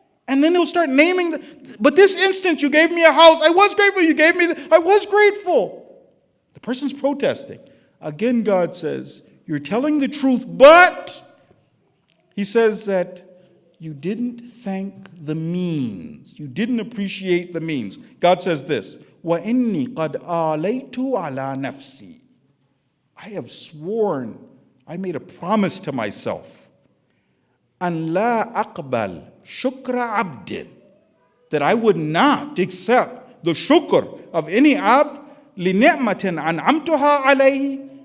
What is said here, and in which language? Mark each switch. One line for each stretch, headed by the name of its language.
English: And then he'll start naming, but this instance you gave me a house, I was grateful, you gave me, I was grateful. The person's protesting. Again, God says, you're telling the truth, but he says that you didn't thank the means. You didn't appreciate the means. God says this,
Arabic: وَإِنِّي قَدْ آلَيْتُ عَلَى نَفْسِي.
English: I have sworn, I made a promise to myself.
Arabic: أَنْ لَا أَقْبَلْ شُكْرَ عَبْدٍ.
English: That I would not accept the shukr of any abd
Arabic: لِنِعْمَةٍ عَنْعَمْتُهَا عَلَيْهِ.